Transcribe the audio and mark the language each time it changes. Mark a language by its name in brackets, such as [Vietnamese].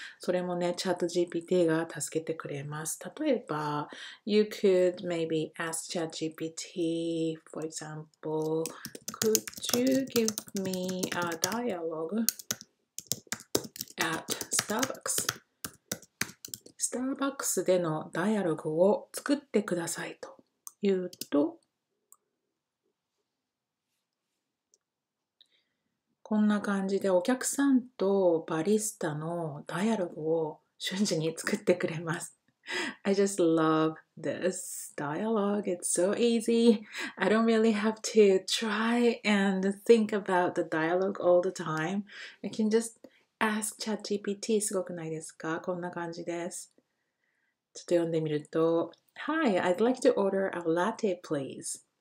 [Japanese] それもね、ChatGPT が助けてくれます。例えば、 [English] You could maybe ask ChatGPT, for example, could you give me a dialogue at Starbucks? [Japanese] スターバックスでのダイアログを作ってくださいと言うと、こんな感じでお客さんとバリスタのダイアログを瞬時に作ってくれます。 [English] I just love this dialogue. It's so easy. I don't really have to try and think about the dialogue all the time. I can just ask ChatGPT. [Japanese] すごくないですか? こんな感じです。ちょっと読んでみると、 [English] Hi, I'd like to order a latte, please.